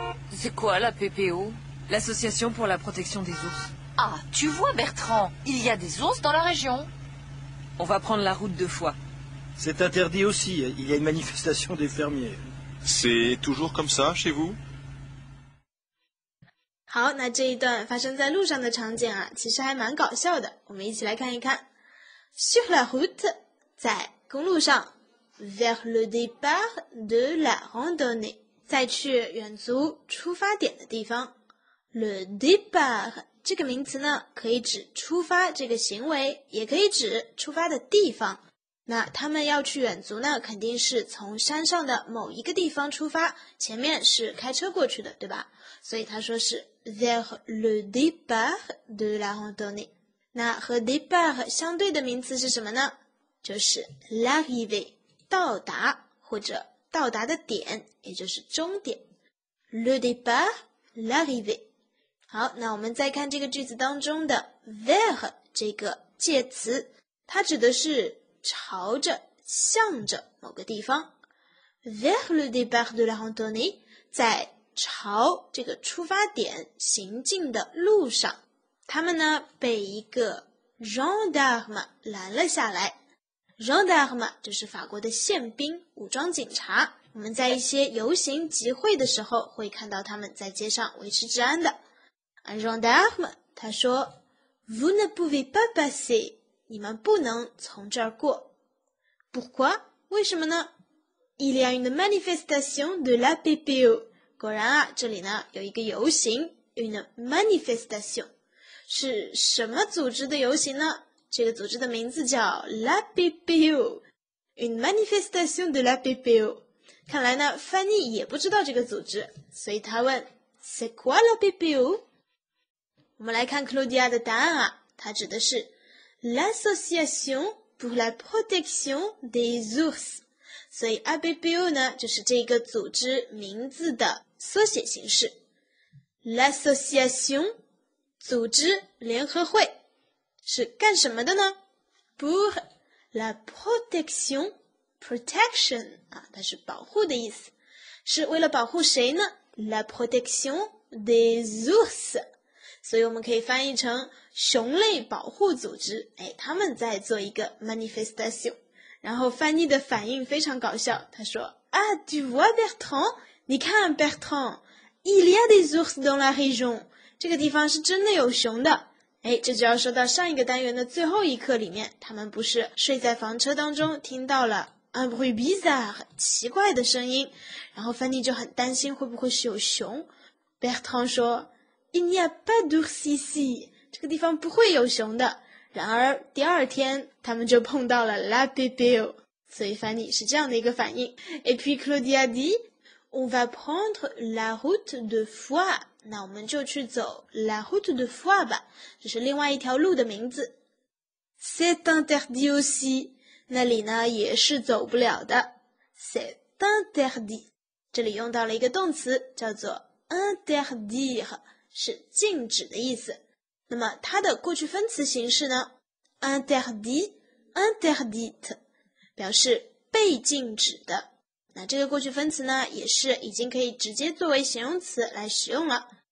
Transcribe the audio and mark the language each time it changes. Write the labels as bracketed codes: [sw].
[fr] C'est quoi l'APPO ? L'Association pour la protection des ours. Ah, tu vois Bertrand, il y a des ours dans la région. On va prendre la route deux fois. C'est interdit aussi, il y a une manifestation des fermiers. C'est toujours comme ça chez vous ? [zh] 好，那这一段发生在路上的场景啊，其实还蛮搞笑的，我们一起来看一看。 [fr] Sur la route, [zh] 在公路上 [fr] vers le départ de la randonnée， [zh] 再去远足出发点的地方。 le départ 这个名词呢，可以指出发这个行为，也可以指出发的地方。那他们要去远足呢，肯定是从山上的某一个地方出发，前面是开车过去的，对吧？所以他说是 [fr] vers le départ de la randonnée。 [zh] 那和 départ 相对的名词是什么呢？就是 l'arrivée， 到达或者到达的点，也就是终点。 [fr] le départ, l'arrivée。 [zh] 好，那我们再看这个句子当中的 vers 这个介词，它指的是朝着、向着某个地方。 [fr] vers le départ de la randonnée， [zh] 在朝这个出发点行进的路上，他们呢被一个 gendarme 拦了下来。 Gendarme 就是法国的宪兵，武装警察。我们在一些游行集会的时候会看到他们在街上维持治安的。 Gendarme 他说 [fr] Vous ne pouvez pas passer， [zh] 你们不能从这儿过。 [fr] Pourquoi？ [zh] 为什么呢？ [fr] Il y a une manifestation de la PPO。 [zh] 果然啊，这里呢有一个游行， une manifestation。是什么组织的游行呢？这个组织的名字叫 l'APPO， [fr] une manifestation de l'APPO。 [zh] 看来呢，翻译也不知道这个组织，所以他问 [fr] c'est quoi l'APPO？ [zh] 我们来看 Claudia 的答案啊，它指的是 [fr] l'Association pour la protection des ours。 [zh] 所以 APPO 呢，就是这个组织名字的缩写形式。 l'Association 组织联合会是干什么的呢？ Pour la protection， protection 啊，它是保护的意思。是为了保护谁呢？ [fr] La protection des ours， [zh] 所以我们可以翻译成熊类保护组织。哎，他们在做一个 manifestation。然后翻译的反应非常搞笑，他说 [fr] Ah, tu vois Bertrand， [zh] 你看 Bertrand， [fr] il y a des ours dans la région， [zh] 这个地方是真的有熊的。哎，这就要说到上一个单元的最后一课里面，他们不是睡在房车当中听到了 [fr] un bruit bizarre， [zh] 奇怪的声音，然后Fanny就很担心会不会是有熊。 Bertrand 说 [fr] il n'y a pas d'ours ici， [zh] 这个地方不会有熊的。然而第二天他们就碰到了 la bébéo， 所以Fanny是这样的一个反应。 [fr] Et puis Claudia dit on va prendre la route de foie， [zh] 那我们就去走 la route de foie 吧，这是另外一条路的名字。 [fr] c'est interdit aussi， [zh] 那里呢也是走不了的。 c'est interdit，这里用到了一个动词叫做 interdire， 是禁止的意思。那么它的过去分词形式呢？interdite 表示被禁止的。那这个过去分词呢，也是已经可以直接作为形容词来使用了。